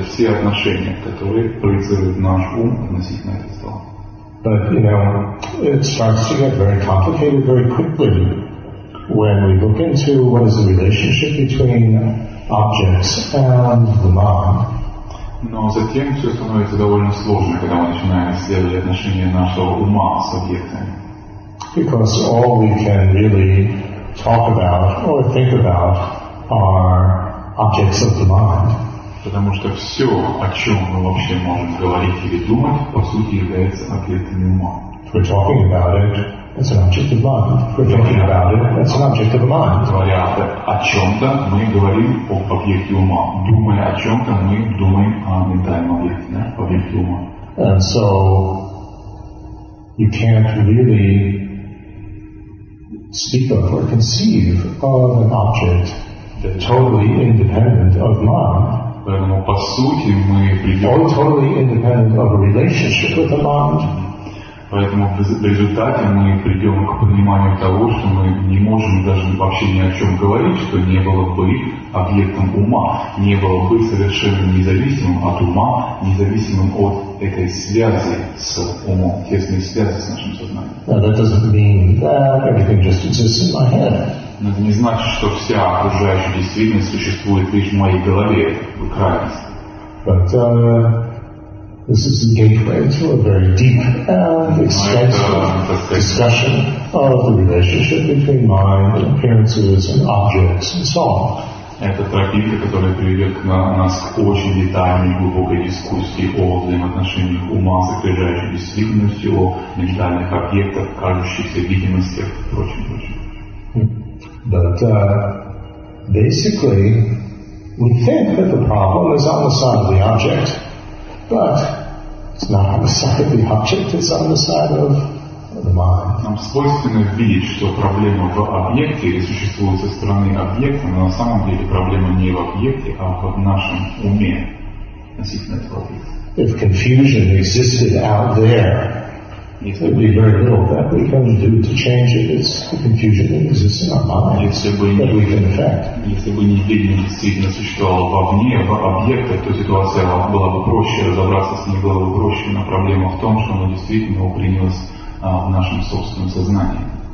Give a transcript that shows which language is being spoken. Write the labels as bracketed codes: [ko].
[ru] Все отношения, которые проецируют наш ум относительно этого стола. [en] But, you know, it starts to get very complicated very quickly when we look into what is the relationship between objects and the mind. [ru] Но затем все становится довольно сложно, когда мы начинаем исследовать отношения нашего ума с объектами. [en] Because all we can really talk about or think about are objects of the mind. [ru] Потому что все, о чем мы вообще можем говорить или думать, по сути является объектами ума. [en] We're talking about it, it's an object of mind. We're talking about it, it's an object of the mind. [ru] Говоря о чем-то, мы говорим о объекте ума. Думая о чем-то, мы думаем о ментальном объекте, да? Объекте ума. [en] And so you can't really speak of or conceive of an object that's totally independent of mind. [ru] Поэтому, по сути, мы придем... [en] totally independent of a relationship with the mind. [ru] Поэтому в результате мы придем к пониманию того, что мы не можем даже вообще ни о чем говорить, что не было бы объектом ума, не было бы совершенно независимым от ума, независимым от этой связи с умом, тесной связи с нашим сознанием. Но это не значит, что вся окружающая действительность существует лишь в моей голове, в крайности. [en] This is the gateway to a very deep and extensive discussion of the relationship between mind and appearances and objects and so on. [ru] Это тропинка, которая приведет нас к очень детальной и глубокой дискуссии о взаимоотношениях ума с окружающей действительностью, о ментальных объектах, кажущихся видимостях и прочем, прочем. [en] But basically, we think that the problem is on the side of the object, but it's not on the side of the object, it's on the side of the mind. [ru] Нам свойственно видеть, что проблема в объекте или существует со стороны объекта, но на самом деле проблема не в объекте, а в нашем уме относительно этого объекта. [en] If confusion existed out there, it would be very little that we can do to change it. It's the confusion that exists in our mind that we can affect. [ru] Если бы невидимость действительно существовала вовне, в объектах, то ситуация была бы проще, разобраться с ней было бы проще. Но проблема в том, что она действительно укоренилась в нашем собственном сознании.